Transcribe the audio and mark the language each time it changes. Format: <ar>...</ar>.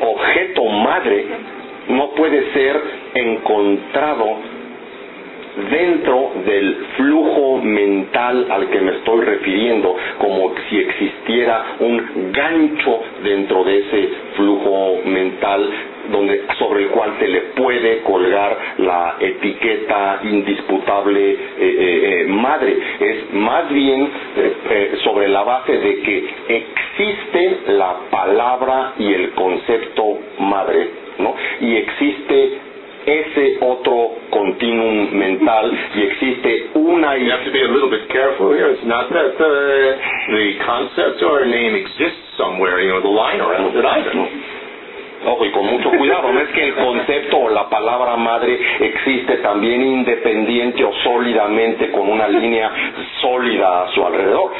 <es>objeto madre no puede ser encontrado dentro del flujo mental al que me estoy refiriendo, como si existiera un gancho dentro de ese flujo mental donde, sobre el cual se le puede colgar la etiqueta indisputable madre. Es más bien sobre la base de que existe la palabra y el concepto madre, ¿no? Y existe ese otro continuum mental y existe una.</es> <en>You have to be a little bit careful here. It's not that the concept or name exists somewhere, you know, the line around it either.</en> <es>Ojo, y con mucho cuidado, no es que el concepto o la palabra madre existe también independiente o sólidamente con una línea sólida a su alrededor.</es>